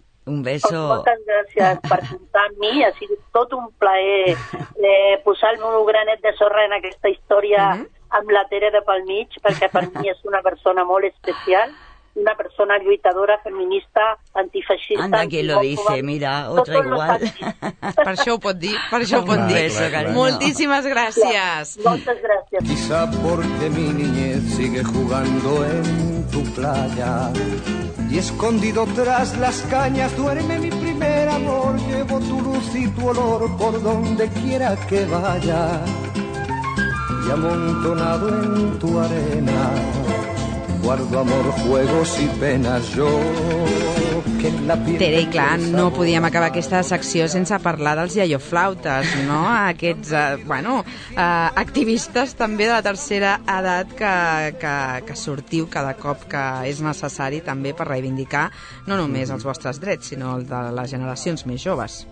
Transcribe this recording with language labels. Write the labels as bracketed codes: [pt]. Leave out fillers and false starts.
[es] Un beso. [ca] Moltes gràcies per comptar amb mi. Ha sigut tot un plaer posar el meu granet de sorra en aquesta història amb la Tere de pel mig, perquè per mi és una persona molt especial, una persona lluitadora, feminista, antifeixista... [es] Anda, que lo dice, mira, otra igual. [ca] Per això ho pot dir, per això ho pot dir. [es] Eso, [ca] moltíssimes gràcies. Ja, moltes gràcies. [es] Quizá porque mi niñez sigue jugando en tu playa y escondido tras las cañas duerme mi primer amor. Llevo tu luz y tu olor por donde quiera que vaya. Y amontonado en tu arena guardo amor, juegos y penas. Yo que en la piel... [ca] Tere, i clar, no podíem acabar aquesta secció sense parlar dels iaioflautes, no? Aquests, activistes també de la tercera edat que sortiu cada cop que és necessari també per reivindicar no només els vostres drets, sinó els de les generacions més joves.